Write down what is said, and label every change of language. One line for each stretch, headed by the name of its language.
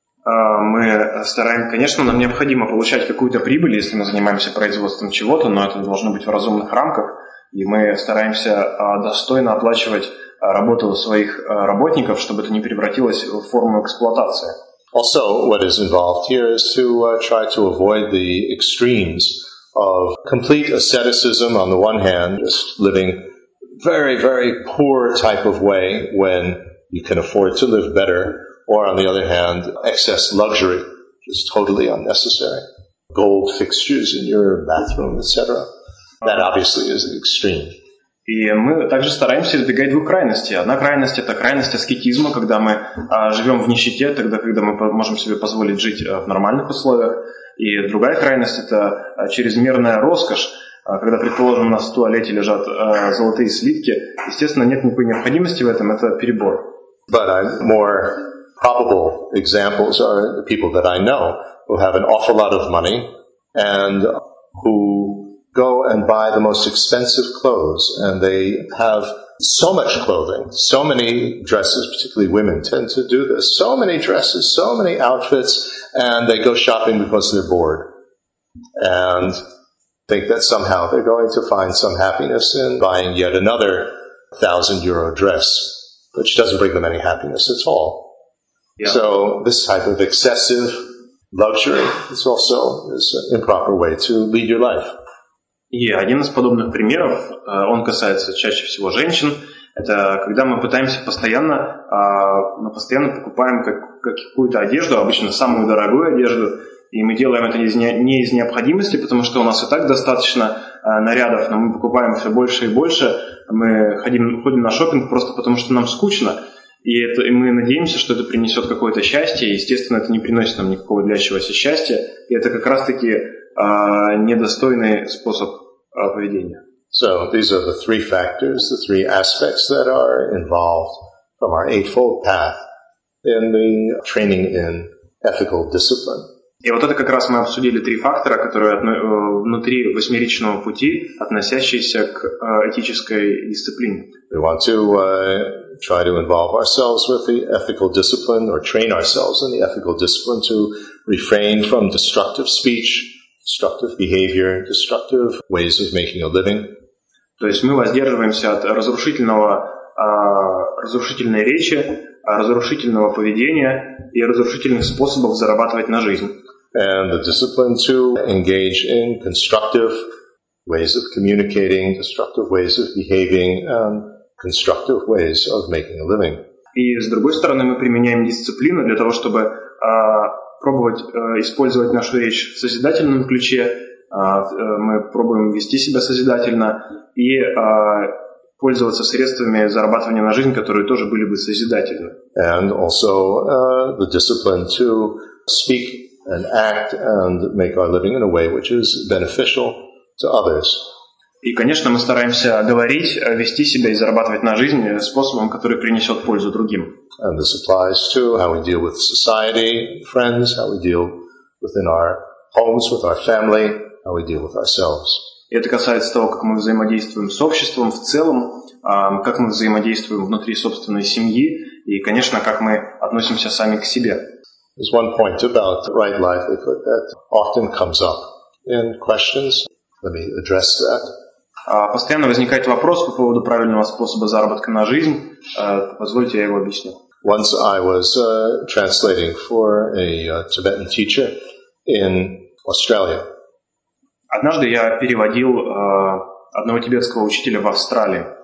Russian: Мы стараемся, конечно, нам необходимо получать какую-то прибыль, если мы занимаемся производством чего-то, но это должно быть в разумных рамках, и мы стараемся достойно оплачивать работу своих работников, чтобы это не превратилось в форму эксплуатации.
English: Also, what is involved here is to try to avoid the extremes of complete asceticism on the one hand, just living very, very poor type of way when you can afford to live better. Or on the other hand, excess luxury, which is totally unnecessary. Gold fixtures in your bathroom, etc. That obviously is an extreme.
Russian: И мы также стараемся избегать двух крайностей. Одна крайность — это крайность аскетизма, когда мы живем в нищете, тогда когда мы можем себе позволить жить в нормальных условиях. И другая крайность — это чрезмерная роскошь. Когда, предположим, у нас в туалете лежат золотые слитки, естественно, нет никакой необходимости в этом, это перебор.
English: But I'm more... Probable examples are the people that I know who have an awful lot of money and who go and buy the most expensive clothes, and they have so much clothing, so many dresses, particularly women tend to do this, so many dresses, so many outfits, and they go shopping because they're bored and think that somehow they're going to find some happiness in buying yet another 1,000 euro dress, which doesn't bring them any happiness at all. Yeah. So this type of excessive luxury is also is an improper way to lead your life. Yeah,
Russian: один из подобных примеров, он касается чаще всего женщин. Это когда мы пытаемся постоянно, мы постоянно покупаем какую-то одежду, обычно самую дорогую одежду, и мы делаем это не из необходимости, потому что у нас и так достаточно нарядов, но мы покупаем все больше и больше. Мы ходим на шопинг просто потому, что нам скучно. И мы надеемся, что это принесет какое-то счастье. Естественно, это не приносит нам никакого длящегося счастья. И это как раз-таки недостойный способ поведения.
English: So these are the three factors, the three aspects that are involved from our eightfold path in the training in ethical discipline.
Russian: И вот это как раз мы обсудили три фактора, которые внутри восьмеричного пути, относящиеся к этической дисциплине.
English: We want to try to involve ourselves with the ethical discipline, or train ourselves in the ethical discipline to refrain from destructive speech, destructive behavior, destructive ways of making a living.
Russian: То есть мы воздерживаемся от разрушительной речи, разрушительного поведения и разрушительных способов зарабатывать на жизнь.
English: And the discipline to engage in constructive ways of communicating, destructive ways of behaving, and constructive ways of making a living.
Russian: И с другой стороны, мы применяем дисциплину для того, чтобы пробовать использовать нашу речь в созидательном ключе. Мы пробуем вести себя созидательно и пользоваться средствами зарабатывания на жизнь, которые тоже были бы созидательны.
English: And also the discipline to speak and act and make our living in a way which is beneficial to others.
Russian: И, конечно, мы стараемся говорить, вести себя и зарабатывать на жизнь способом, который принесет пользу другим.
English: And this applies to how we deal with society, friends, how we deal within our homes, with our family, how we deal with ourselves.
Russian: И это касается того, как мы взаимодействуем с обществом в целом, как мы взаимодействуем внутри собственной семьи и, конечно, как мы относимся сами к себе.
English: There's one point about right livelihood that often comes up in questions. Let me address that.
Russian: Постоянно возникает вопрос по поводу правильного способа заработка на жизнь. Позвольте, я его объясню.
English: Once I was translating for a Tibetan teacher in Australia.
Russian: Однажды я переводил одного тибетского учителя в Австралии.